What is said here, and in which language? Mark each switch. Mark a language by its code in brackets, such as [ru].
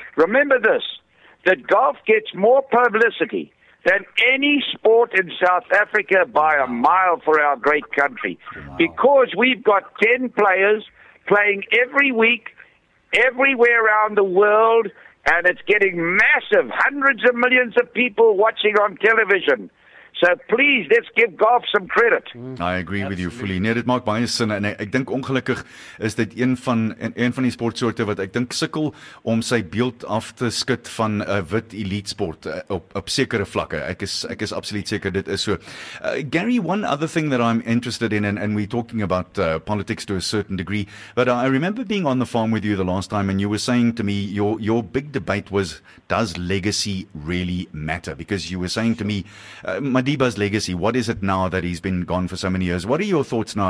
[en] Remember this, that golf gets more publicity than any sport in South Africa by a mile for our great country. Wow. Because we've got 10 players playing every week, everywhere around the world, and it's getting massive, hundreds of millions of people watching on television. So please, let's give golf some credit. I agree with you fully. [af] Nee, dit maak baie sin. En ek dink ongelukkig is dit een van die sportsoorte wat ek dink sukkel om sy beeld af te skud van 'n wit elite sport op sekere vlakke. Ek is absoluut seker dit is so. [en] Gary, one other thing that I'm interested in, and we're talking about politics to a certain degree, but I remember being on the farm with you the last time, and you were saying to me, your big debate was, does legacy really matter? Because you were saying to me, Madiba's legacy, what is it now that he's been gone for so many years? What are your thoughts now?